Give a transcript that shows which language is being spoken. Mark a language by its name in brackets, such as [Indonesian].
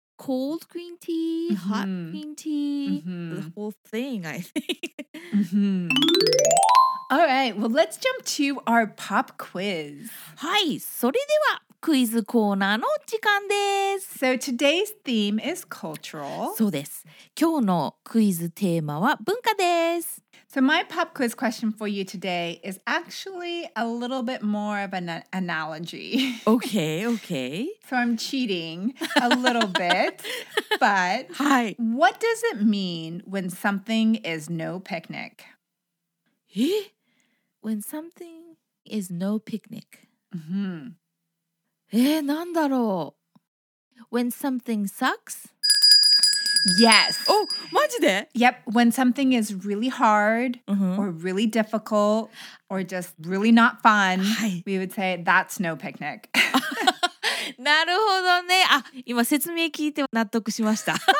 [English] Cold green tea, hot green tea, the whole thing, I think. All right, well, let's jump to our pop quiz. [Japanese] はい、それではクイズコーナーの時間です。 [English] So today's theme is cultural. [Japanese] そうです。今日のクイズテーマは文化です。 [English] So my pop quiz question for you today is actually a little bit more of an analogy. Okay, okay. So I'm cheating a little bit, but Hi. What does it mean when something is no picnic? When something is no picnic. Mm-hmm. [Japanese] なんだろう? [English] When something sucks? Yes. [Japanese] Oh, マジで? [English] Yep. When something is really hard or really difficult or just really not fun, we would say that's no picnic. [Japanese] なるほどね。あ、今説明聞いて納得しました。